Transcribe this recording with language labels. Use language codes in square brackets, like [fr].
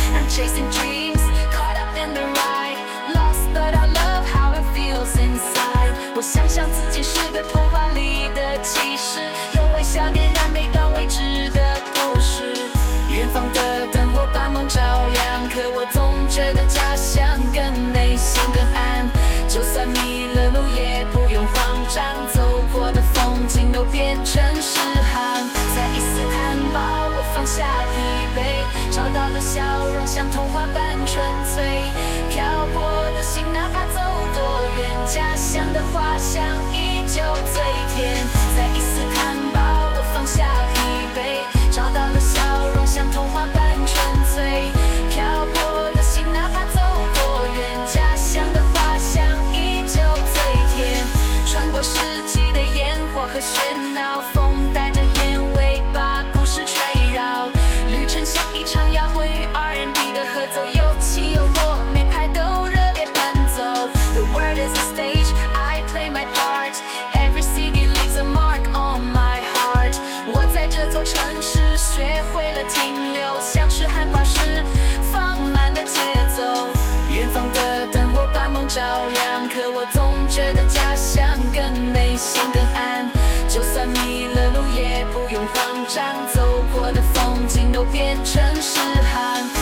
[en] I'm chasing dreams caught up in the ride, lost but I love how it feels inside. [zh] 我想象自己是被童话里的骑士，用微笑点燃每段未知的故事。远方的灯火把梦照亮，可我总觉得家乡更内心更暗。就算迷了路也不用慌张，走过的风景都变成诗行。在伊斯坦堡我放下疲惫，找到了笑容像童话般纯粹。漂泊的心哪怕走多远，家乡的花香依旧最甜。在伊斯坦堡我放下疲惫，找到了笑容像童话般纯粹。漂泊的心哪怕走多远，家乡的花香依旧最甜。穿过世纪的烟火和喧闹，风带着烟味把故事吹绕。旅程像一场摇滚与 R&B 的合奏，有起有落，每拍都热烈伴奏。 [en] The world is a stage, I play my part, every city leaves a mark on my heart. [zh] 我在这座城市学会了停留，像是汉堡时放慢的节奏。远方的灯火把梦照亮，可我总觉得家乡更内心更暗。就算迷了路也不用慌张，走过的风景都变成诗行。